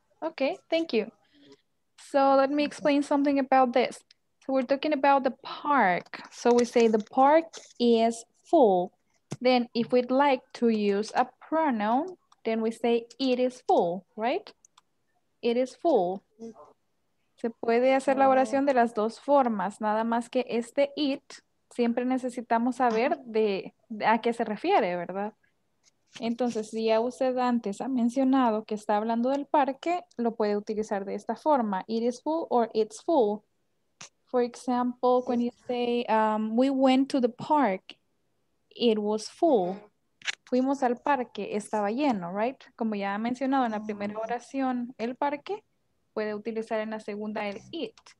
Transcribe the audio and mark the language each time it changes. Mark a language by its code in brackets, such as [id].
[en] Okay, thank you. So let me explain something about this. So we're talking about the park. So we say the park is full. Then if we'd like to use a pronoun, then we say it is full, right? It is full. [es] Se puede hacer la oración de las dos formas. Nada más que este it, siempre necesitamos saber de a qué se refiere, ¿verdad? Entonces, si ya usted antes ha mencionado que está hablando del parque, lo puede utilizar de esta forma. [en] It is full or it's full. For example, when you say, we went to the park, it was full. [es] Fuimos al parque, estaba lleno, right? Como ya ha mencionado en la primera oración, el parque, puede utilizar en la segunda el it.